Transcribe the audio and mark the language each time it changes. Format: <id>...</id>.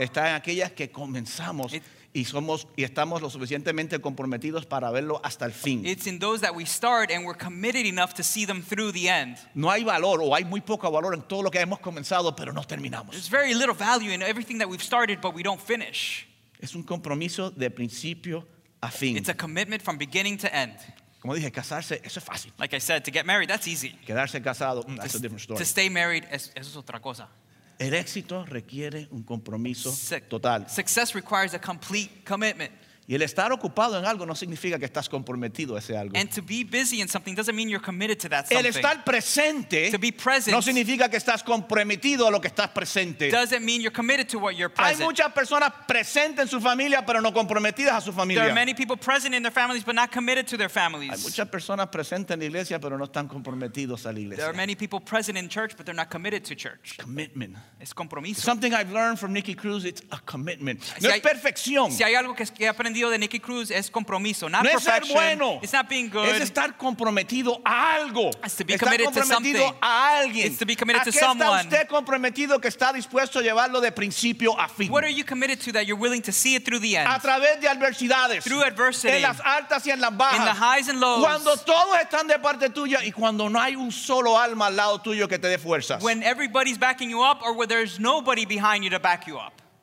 <es>Está en aquellas que comenzamos y estamos lo suficientemente comprometidos para verlo hasta el fin.</es> <en>It's in those that we start and we're committed enough to see them through the end.</en> <es>No hay valor o hay muy poco valor en todo lo que hemos comenzado pero no terminamos.</es> <en>There's very little value in everything that we've started but we don't finish.</en> <es>Es un compromiso de principio.</es> <en>It's a commitment from beginning to end.</en> <es>Como dije, casarse, eso es fácil.</es> <en>Like I said, to get married, that's easy.</en> <es>Quedarse casado,</es> <en>that's a different story. To stay married,</en> <es>eso es otra cosa. El éxito requiere un compromiso total.</es> <en>Success requires a complete commitment.</en> <es>Y el estar ocupado en algo no significa que estás comprometido a ese algo.</es> <en>And to be busy in something doesn't mean you're committed to that something.</en> <es>El estar presente</es> <en>to be present</en> <es>no significa que estás comprometido a lo que estás presente.</es> <en>Doesn't mean you're committed to what you're present.</en> <es>Hay muchas personas presentes en su familia pero no comprometidas a su familia.</es> <en>There are many people present in their families but not committed to their families.</en> <es>Hay muchas personas presentes en la iglesia pero no están comprometidos a la iglesia.</es> <en>There are many people present in church but they're not committed to church. Commitment.</en> <es>Es compromiso.</es> <en>Something I've learned from Nikki Cruz, it's a commitment.</en> <es>No es perfección. Si hay algo que de Nikki Cruz es compromiso,</es> <en>not</en> <es>no</es> <en>perfection.</en> <es>Es ser bueno.</es> <en>It's not being good.</en> <es>Es estar comprometido a algo.</es> <en>It's to be committed to something.</en> <es>A alguien.</es> <en>It's to be committed to someone.</en> <es>¿A qué está usted comprometido que está dispuesto a llevarlo de principio a fin?</es> <en>What are you committed to that you're willing to see it through the end?</en> <es>A través de adversidades.</es> <en>Through adversity.</en> <es>En las altas y en las bajas.</es> <en>In the highs and lows.</en> <es>Cuando todos están de parte tuya y cuando no hay un solo alma al lado tuyo que te dé fuerzas.</es> <en>When everybody's backing you up or where there's nobody behind you to back you up.</en>